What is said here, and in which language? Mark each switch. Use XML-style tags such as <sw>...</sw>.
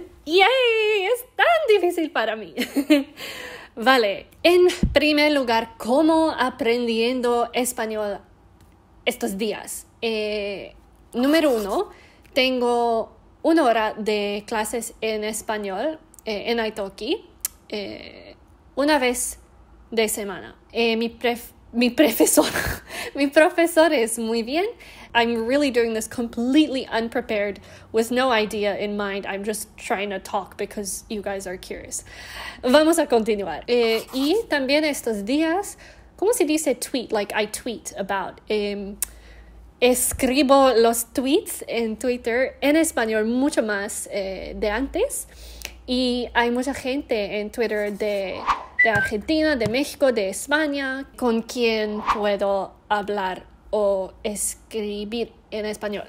<es>Es tan difícil para mí. Vale, en primer lugar, ¿cómo aprendiendo español estos días? Número uno, tengo una hora de clases en español en Italki, una vez de semana. Mi profesor es muy bien.</es> <en>I'm really doing this completely unprepared with no idea in mind. I'm just trying to talk because you guys are curious.</en> <es>Vamos a continuar. Y también estos días, ¿cómo se dice tweet?</es> <en>Like I tweet about.</en> <es>Escribo los tweets en Twitter en español mucho más de antes. Y hay mucha gente en Twitter de Argentina, de México, de España, con quien puedo hablar o escribir en español.</es>